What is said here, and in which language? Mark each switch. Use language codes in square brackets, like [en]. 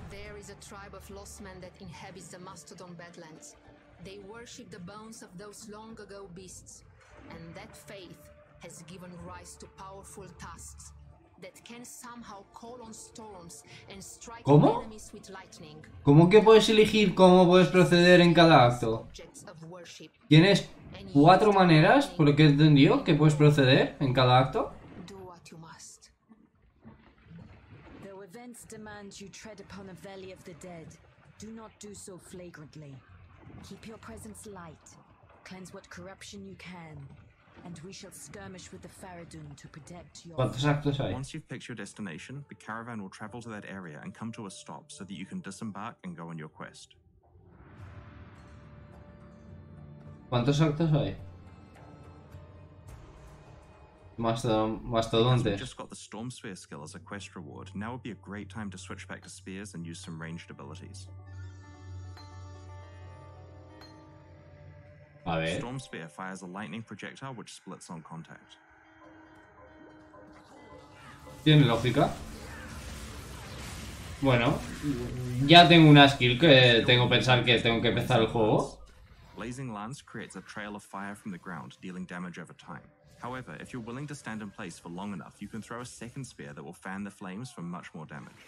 [en] There is a tribe of lost men that inhabits the Mastodon Badlands. They worship the bones of those long ago beasts, and that faith has given rise to powerful tusks that can somehow call on storms and strike enemies with lightning. [es] ¿Cómo que puedes elegir cómo puedes proceder en cada acto? ¿Tienes cuatro maneras, por lo que he entendido, que puedes proceder en cada acto? [en] Do what you must. Though events demand you tread upon a valley of the dead, do not do so flagrantly. Keep your presence light, cleanse what corruption you can, and we shall skirmish with the Faradun to protect your... Once you've picked your destination, the caravan will travel to that area and come to a stop so that you can disembark and go on your quest. [es] ¿Cuántos actos hay? Mastodonte. [en] Just got the Storm Spear skill as a quest reward. Now would be a great time to switch back to spears and use some ranged abilities. [es] A ver. [en] Storm Spear fires a lightning projectile which splits on contact. [es] Tiene lógica. Bueno, ya tengo una skill que tengo que pensar que tengo que empezar el juego. [en] Blazing Lance creates a trail of fire from the ground, dealing damage over time. However, if you're willing to stand in place for long enough, you can throw a second spear that will fan the flames for much more damage.